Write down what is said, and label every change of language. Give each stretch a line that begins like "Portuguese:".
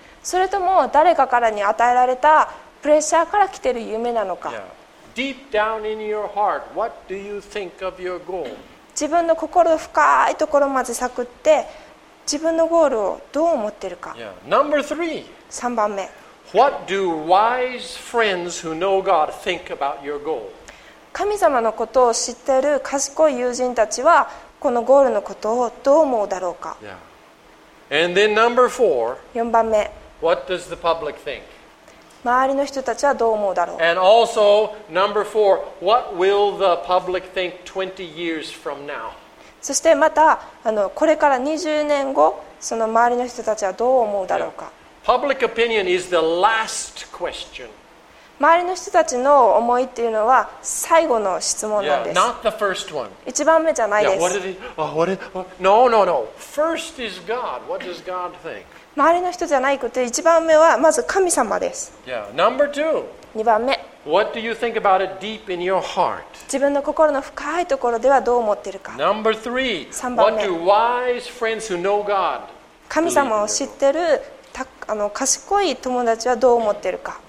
Japanese: それとも誰かからに与えられたプレッシャーから来ている夢なのか。
English: Deep down in your heart, what do you think of your goal?
Japanese: 自分の心の深いところまで探って、自分のゴールをどう思っているか。
English: Number three.
Japanese: 三番目。
English: What do wise friends who know God think about your goal?
Japanese: 神様のことを知っている賢い友人たちはこのゴールのことをどう思うだろうか。
English: And then number four.
Japanese: 四番目。
English: What does the public think?
Japanese: 周りの人たちはどう思うだろう。
English: And also, number four, what will the public think 20 years from now?
Japanese: そしてまた、これから20年後、その周りの人たちはどう思うだろうか。
English: Public opinion is the last question.
Japanese: 周りの人たちの思いっていうのは最後の質問なんです。
English: Not the first one.
Japanese: 一番目じゃないです。
English: No. First is God. What does God think?
Japanese: 周りの人じゃないこと、一番目はまず神様です。
English: Number two.
Japanese: 二番目。
English: What do you think about it deep in your heart?
Japanese: 自分の心の深いところではどう思っているか。
English: Number three.
Japanese: 三番目。
English: What do wise friends who know God?
Japanese: 神様を知ってる賢い友達はどう思っているか。